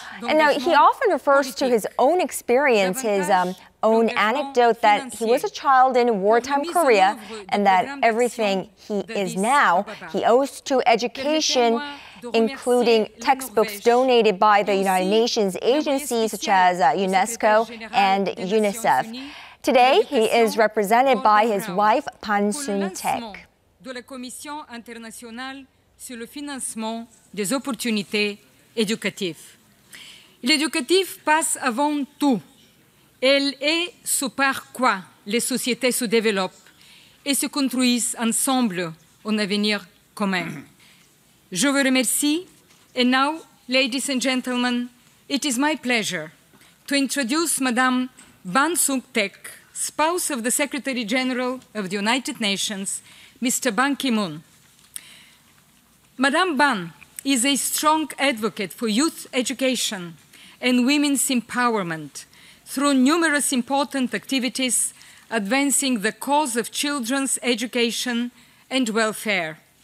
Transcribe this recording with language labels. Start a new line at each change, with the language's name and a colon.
English: And now he often refers to his own experience, his own anecdote that he was a child in wartime Korea and that everything he is now he owes to education, including textbooks donated by the United Nations agencies such as UNESCO and UNICEF. Today he is represented by his wife Pan Sun-taek.
French: De la Commission internationale sur le financement des opportunités éducatif. L'éducatif passe avant tout. Elle est ce par quoi les sociétés se développent et se construisent ensemble en avenir commun. Je vous remercie.
English: And now, ladies and gentlemen, it is my pleasure to introduce Madame Ban Sun-taek, spouse of the Secretary General of the United Nations, Mr. Ban Ki-moon. Madame Ban is a strong advocate for youth education and women's empowerment through numerous important activities advancing the cause of children's education and welfare.